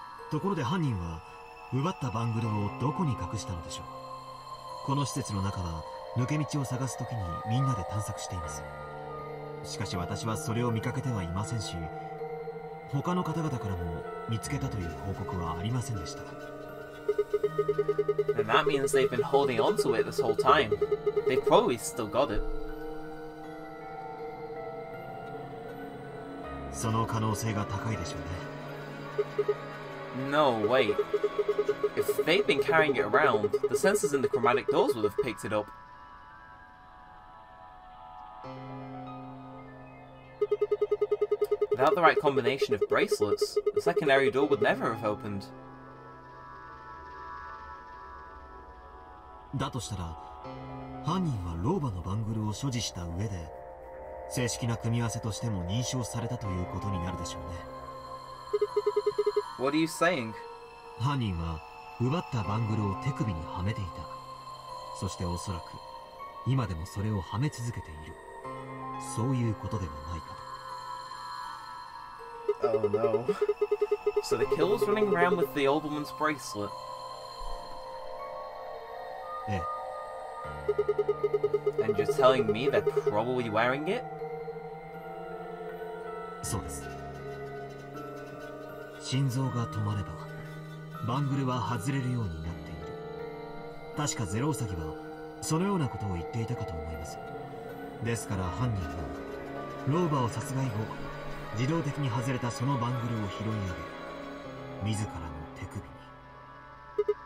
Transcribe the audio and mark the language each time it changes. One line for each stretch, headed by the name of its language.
Japanese: ところで犯人は奪ったバングルをどこに隠したのでしょう。この施設の中は抜け道を探すときにみんなで探索しています。しかし私はそれを見かけてはいませんし、他の方々からも見つけたという報告はありませんでした。
English: Then that means they've been holding onto it this whole time. They probably still got it.
Japanese: その可能性が高いでしょうね。
English: No, wait. If they'd been carrying it around, the sensors in the chromatic doors would have picked it up. Without the right combination of bracelets, the secondary door would never have opened.
Japanese: だとしたら、犯人は老婆のバングルを所持した上で、正式な組み合わせとしても認証されたということになるでしょうね。
English: What are you saying?
Japanese: 犯人は奪ったバングルを手首にはめていた。そしておそらく今でもそれをはめ続けている。そういうことではないかと。
English: Oh no. So the killer's running around with the old woman's bracelet.
Japanese: ええ。
English: And you're telling me they're probably wearing it?
Japanese: そうです。心臓が止まれば、バングルは外れるようになっている。確かゼロウサギはそのようなことを言っていたかと思います。ですから犯人は、ローバーを殺害後、自動的に外れたそのバングルを拾い上げ、自らの手首に。